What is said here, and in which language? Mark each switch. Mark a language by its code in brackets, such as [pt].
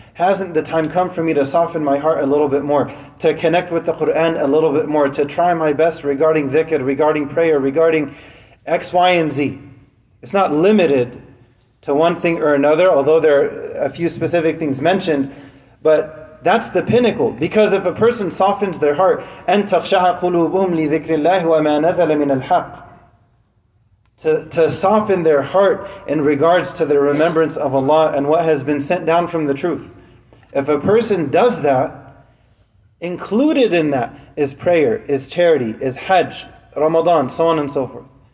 [en] Hasn't the time come for me to soften my heart a little bit more, to connect with the Qur'an a little bit more, to try my best regarding dhikr, regarding prayer, regarding X, Y, and Z? It's not limited to one thing or another, although there are a few specific things mentioned, but that's the pinnacle. Because if a person softens their heart, [ar] أَن تَخْشَعَ قُلُوبُهُمْ لِذِكْرِ اللَّهِ وَمَا نَزَلَ مِنَ الْحَقِّ. [en] To soften their heart in regards to the remembrance of Allah and what has been sent down from the truth. If a person does that, included in that is prayer, is charity, is hajj, Ramadan, so on and so forth.